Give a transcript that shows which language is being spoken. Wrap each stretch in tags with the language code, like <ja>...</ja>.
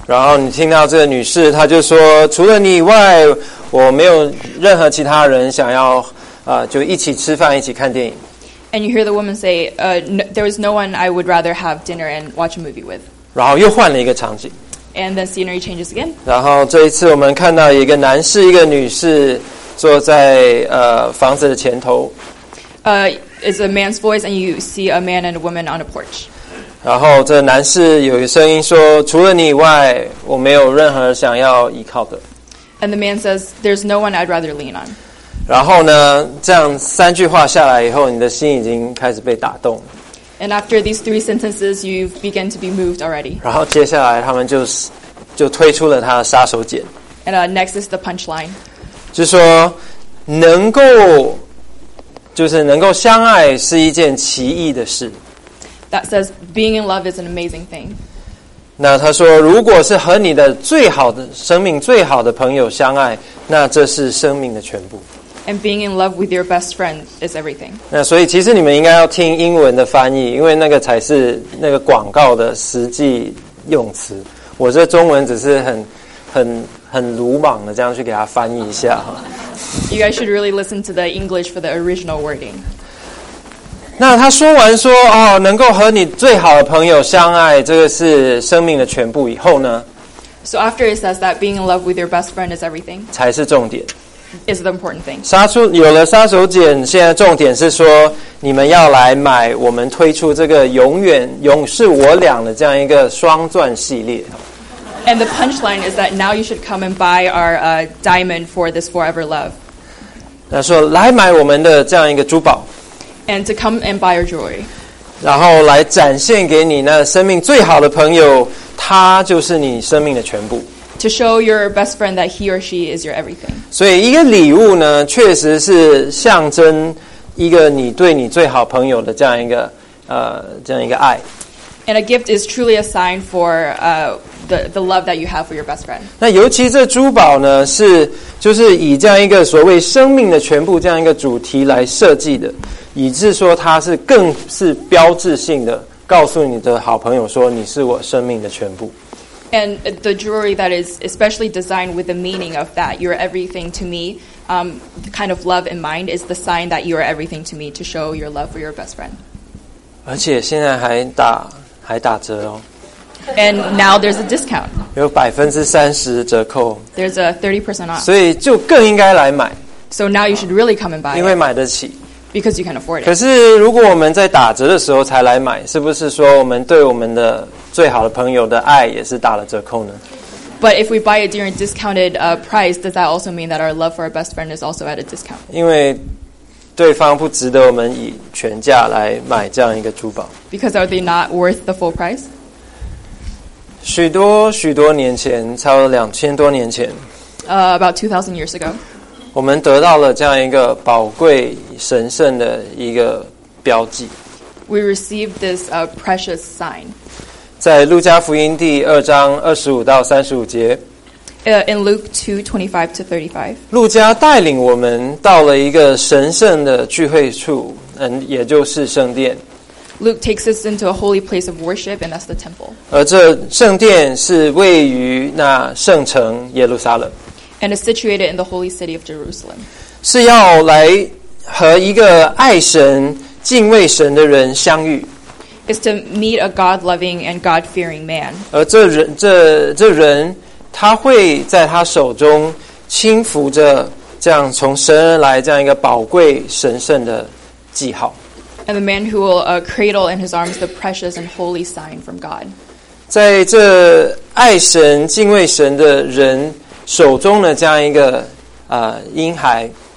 <zh>然后你听到这个女士，她就说，除了你以外，我没有任何其他人想要就一起吃饭，一起看电影。</zh> <en>And you hear the woman say, there is no one I would rather have dinner and watch a movie with.</en> <zh>然后又换了一个场景。</zh> <en>And the scenery changes again.</en> <zh>然后这一次我们看到一个男士，一个女士坐在房子的前头。</zh> <en>It's a man's voice, and you see a man and a woman on a porch.</en> <zh>然后这男士有一个声音说，除了你以外，我没有任何想要依靠的。</zh> <en>And the man says, there's no one I'd rather lean on.</en> <zh>然后呢，这样三句话下来以后，你的心已经开始被打动。</zh> <en>And after these three sentences, you begin to be moved already.</en> <zh>然后接下来他们就推出了他的杀手锏。</zh> <en>And next is the punchline.</en> <zh>就说能够就是能够相爱是一件奇异的事。</zh> <en>That says being in love is an amazing thing.</en> <zh>那他说，如果是和你的最好的生命最好的朋友相爱，那这是生命的全部。</zh> <en>And being in love with your best friend is everything.</en> <zh>那所以其实你们应该要听英文的翻译，因为那个才是那个广告的实际用词。我这中文只是很鲁莽的这样去给他翻译一下。</zh> <en>You guys should really listen to the English for the original wording.</en> <zh>那他说完说，哦，能够和你最好的朋友相爱，这个是生命的全部以后呢？</zh> <en>So after it says that being in love with your best friend is everything.</en> <zh>才是重点。</zh> <en>is the important thing.</en> <zh>有了杀手锏，现在重点是说你们要来买我们推出这个永远永是我俩的这样一个双钻系列。</zh> <en>And the punchline is that now you should come and buy our diamond for this forever love.</en> <zh>他说来买我们的这样一个珠宝。</zh> <en>And to come and buy our joy.</en> <zh>然后来展现给你那生命最好的朋友，他就是你生命的全部。</zh> <en>To show your best friend that he or she is your everything.</en> <zh>所以一个礼物呢，确实是象征一个你对你最好朋友的这样一个这样一个爱。</zh> <en>And a gift is truly a sign for the love that you have for your best friend.</en> <zh>那尤其这珠宝呢，是就是以这样一个所谓生命的全部这样一个主题来设计的，以致说它是更是标志性的，告诉你的好朋友说你是我生命的全部。</zh> <en>And the jewelry that is especially designed with the meaning of that you're everything to me, the kind of love in mind is the sign that you are everything to me to show your love for your best friend.</en> <zh>而且现在还打折哦。</zh> <en>And now there's a discount.</en> <zh>有30%折扣。</zh> <en>There's a 30% off.</en> <zh>所以就更应该来买。</zh> <en>So now you should really come and buy.</en> <zh>因为买得起。</zh> <en>Because you can afford it.</en> <zh>可是如果我们在打折的时候才来买，是不是说我们对我们的最好的朋友的爱也是打了折扣呢？</zh> <en>But if we buy it during discounted price, does that also mean that our love for our best friend is also at a discount?</en> <zh>因为对方不值得我们以全价来买这样一个珠宝。</zh> <en>Because are they not worth the full price?</en> <zh>许多许多年前，差不多2000多年前。</zh> <en>About 2000 years ago.</en> <zh>我们得到了这样一个宝贵神圣的一个标记。</zh> <en>We received this precious sign.</en> <zh>在路加福音第二章25-35节。</zh> <en>In Luke 2:25-35.</en> <zh>路加带领我们到了一个神圣的聚会处，也就是圣殿。</zh> <en>Luke takes us into a holy place of worship, and that's the temple.</en> <zh>而这圣殿是位于那圣城耶路撒冷。</zh> <en>And is situated in the holy city of Jerusalem.</en> <zh>是要来和一个爱神、敬畏神的人相遇。</zh> <en>Is to meet a God-loving and God-fearing man.</en> <zh>而这人，他会在他手中轻抚着这样从神而来这样一个宝贵神圣的记号。</zh> <en>And the man who will cradle in his arms the precious and holy sign from God.</en> <zh>在这爱神、敬畏神的人手中的这样一个婴孩。</zh>